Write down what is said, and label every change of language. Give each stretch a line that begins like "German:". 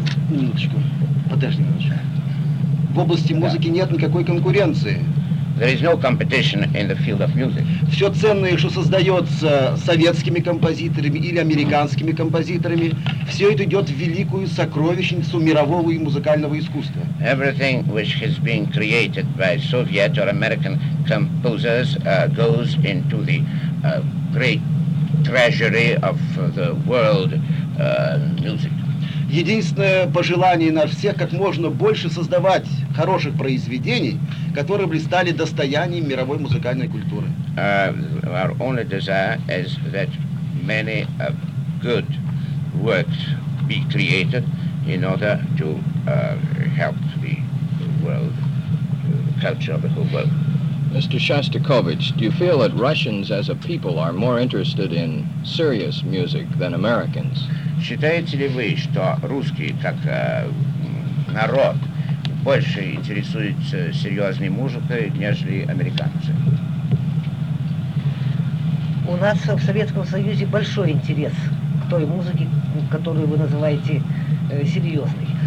Russian: Минуточку, подожди немножко. В области музыки нет никакой конкуренции.
English: There is no competition in the field of music.
Russian: Все ценное, что создается советскими композиторами или американскими композиторами, все это идет в великую сокровищницу мирового и музыкального искусства.
English: Everything which has been created by Soviet or American composers goes into the great treasury of the world music.
Russian: Единственное пожелание на всех, как можно больше создавать хороших произведений, которые бы стали достоянием мировой музыкальной культуры.
English: Our only desire is that many good works be created in order to help the world, culture of the whole world. Mr. Shostakovich, do you feel that Russians as a people are more interested in serious music than Americans?
Russian: Считаете ли вы, что русские, как народ, больше интересуются серьезной музыкой, нежели американцы? У нас в Советском Союзе большой интерес к той музыке, которую вы называете серьезной.